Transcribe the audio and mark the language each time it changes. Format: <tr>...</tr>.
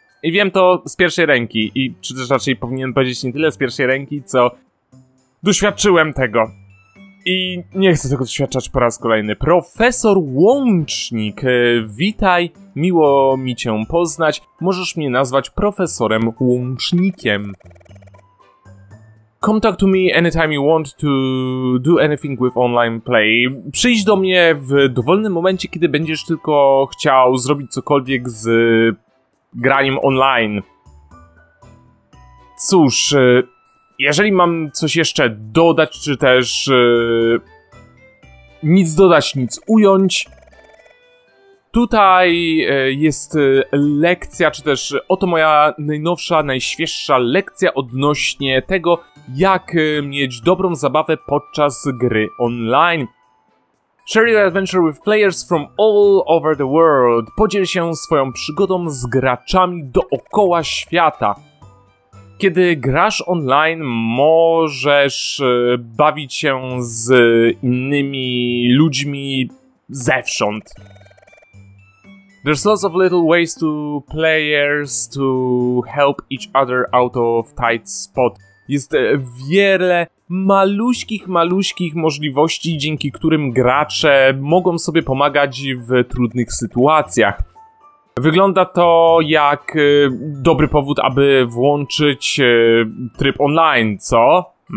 <pl>I wiem to z pierwszej ręki, i czy też raczej powinienem powiedzieć nie tyle z pierwszej ręki, co doświadczyłem tego. I nie chcę tego doświadczać po raz kolejny. Profesor Łącznik, witaj, miło mi cię poznać. Możesz mnie nazwać profesorem Łącznikiem.</pl> <en>Come talk to me anytime you want to do anything with online play.</en> <pl>Przyjdź do mnie w dowolnym momencie, kiedy będziesz tylko chciał zrobić cokolwiek z graniem online. Cóż, jeżeli mam coś jeszcze dodać, czy też nic dodać, nic ująć, tutaj jest lekcja, czy też oto moja najnowsza, najświeższa lekcja odnośnie tego, jak mieć dobrą zabawę podczas gry online.</pl> <en>Share your adventure with players from all over the world.</en> <pl>Podziel się swoją przygodą z graczami dookoła świata. Kiedy grasz online, możesz bawić się z innymi ludźmi zewsząd.</pl> <en>There's lots of little ways to players to help each other out of tight spot.</en> <pl>Jest wiele maluśkich możliwości, dzięki którym gracze mogą sobie pomagać w trudnych sytuacjach. Wygląda to jak dobry powód, aby włączyć tryb online, co?</pl>